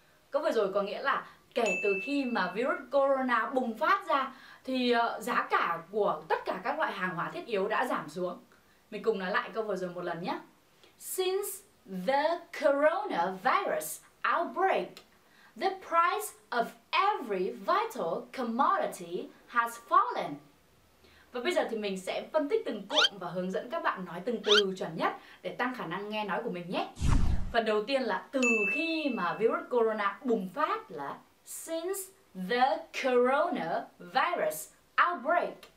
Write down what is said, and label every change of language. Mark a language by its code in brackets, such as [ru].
[vi] Câu vừa rồi có nghĩa là kể từ khi mà virus corona bùng phát ra thì giá cả của tất cả các loại hàng hóa thiết yếu đã giảm xuống. Mình cùng nói lại câu vừa rồi một lần nhé. [en] Since the coronavirus outbreak, the price of every vital commodity has fallen. [vi] Và bây giờ thì mình sẽ phân tích từng cụm và hướng dẫn các bạn nói từng từ chuẩn nhất để tăng khả năng nghe nói của mình nhé. Phần đầu tiên là từ khi mà virus corona bùng phát là [en] since the coronavirus outbreak.